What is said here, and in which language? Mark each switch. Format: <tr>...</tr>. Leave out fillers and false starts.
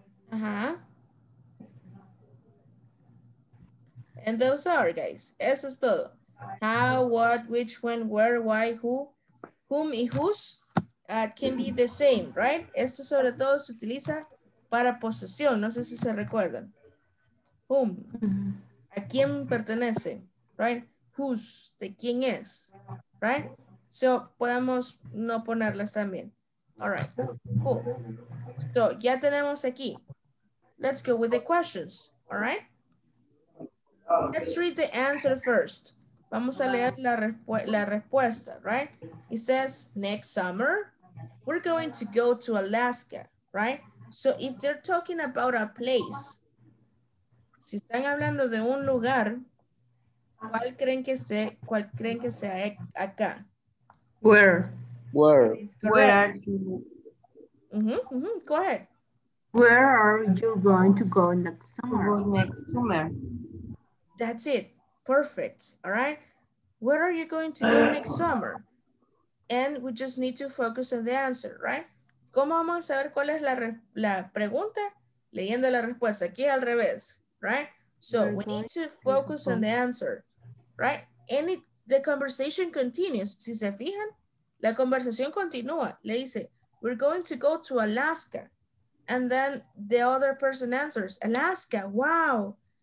<en>Ajá. And those are, guys.</en> <es>Eso es todo.</es> <en>How, what, which, when, where, why, who, whom y whose can be the same, right?</en> <es>Esto sobre todo se utiliza para posesión, no sé si se recuerdan. Whom, a quién pertenece, right? Whose, de quién es, right? So, podemos no ponerlas también.</es> <en>All right, cool. So,</en> <es>ya tenemos aquí.</es> <en>Let's go with the questions, all right? Let's read the answer first.</en> <es>Vamos a leer la respuesta,</es> <en>right? It says, next summer, we're going to go to Alaska, right? So if they're talking about a place,</en> <es>si están hablando de un lugar, ¿cuál creen que esté, cuál creen que sea acá?</es> <en>Where? Where? Where are you? Mm-hmm, mm-hmm, go ahead. Where are you going to go next summer? Go next summer. That's it. Perfect. All right. Where are you going to go next summer? And we just need to focus on the answer, right?</en> <es>¿Cómo vamos a saber cuál es la pregunta? Leyendo la respuesta, aquí al revés, right?</es> <en>So we need to focus on the answer, right? And the conversation continues.</en> <es>Si se fijan, la conversación continúa. Le dice,</es> <en>we're going to go to Alaska. And then the other person answers, Alaska, wow.</en>